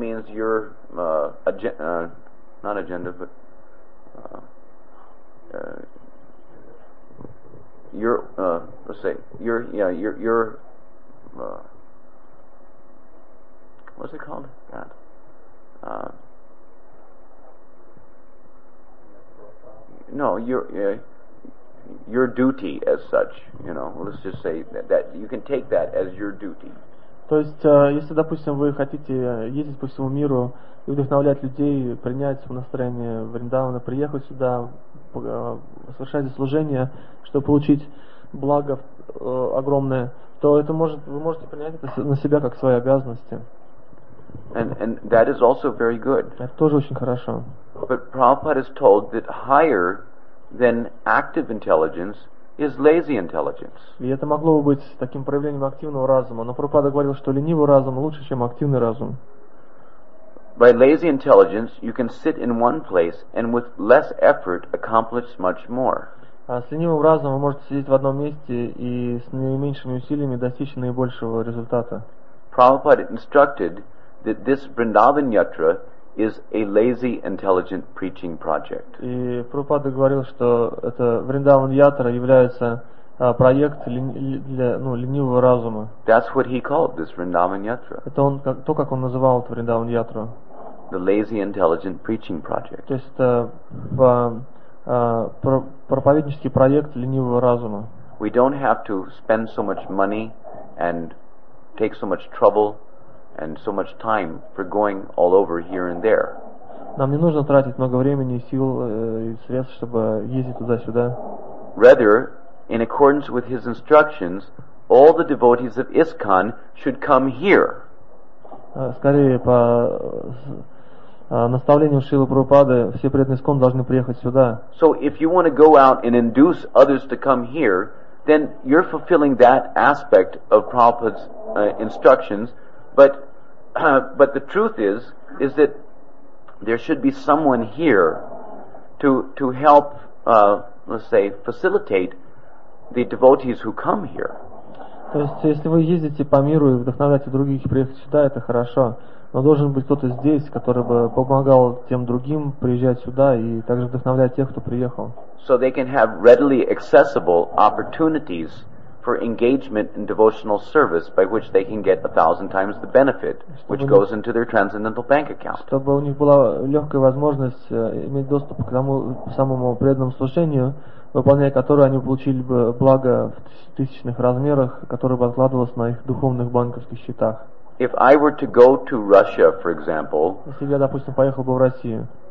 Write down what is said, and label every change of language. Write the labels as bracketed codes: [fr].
[en] Means your agenda, not agenda, but your let's say your yeah your what's it called? That. No, your duty as such, you know. Let's just say that you can take that as your duty. [ru] То есть, если, допустим, вы хотите ездить по всему миру и вдохновлять людей, принять в настроение Вриндавана, приехать сюда, совершать служение, чтобы получить благо огромное, то это может, вы можете принять это на себя как свои обязанности. [en] And that is also very good. [ru] Это тоже очень хорошо. [en] But Prabhupada is told that higher than active intelligence is lazy intelligence. [ru] И это могло бы быть таким проявлением активного разума, но Прабхупада говорил, что ленивый разум лучше, чем активный разум. [en] By lazy intelligence, you can sit in one place and with less effort accomplish much more. [ru] А с ленивым разумом вы можете сидеть в одном месте и с наименьшими усилиями достичь наибольшего результата. [en] Prabhupada instructed that this Vrindavan Yatra is a lazy, intelligent preaching project. [ru] И Прабхупада говорил, что это Вриндаван Ятра является проект для ленивого разума. [en] That's what he called this Vrindavan Yatra. [ru] Это он то, как он называл это Вриндаван Ятру. [en] The lazy, intelligent preaching project. [ru] То есть это проповеднический проект ленивого разума. [en] We don't have to spend so much money and take so much trouble and so much time for going all over here and there. [ru] Нам не нужно тратить много времени, сил и средств, чтобы ездить туда-сюда. [en] Rather, in accordance with his instructions, all the devotees of ISKCON should come here. [ru] Скорее, по наставлению Шрилы Прабхупады, все преданные ISKCON должны приехать сюда. [en] So if you want to go out and induce others to come here, then you're fulfilling that aspect of Prabhupada's instructions. But the truth is that there should be someone here to help, let's say, facilitate the devotees who come here. [ru] То есть, если вы ездите по миру и вдохновляете других приехать сюда, это хорошо. Но должен быть кто-то здесь, который бы помогал тем другим приезжать сюда и также вдохновлять тех, кто приехал. [en] So they can have readily accessible opportunities for engagement in devotional service by which they can get 1,000 times the benefit which goes into their transcendental bank account. [ru] Чтобы у них была легкая возможность иметь доступ к тому самому преданному служению, выполняя которое они получили бы благо в тысячных размерах, которое бы откладывалось на их духовных банковских счетах. [en] If I were to go to Russia, for example, [ru] если я, допустим, поехал бы в Россию,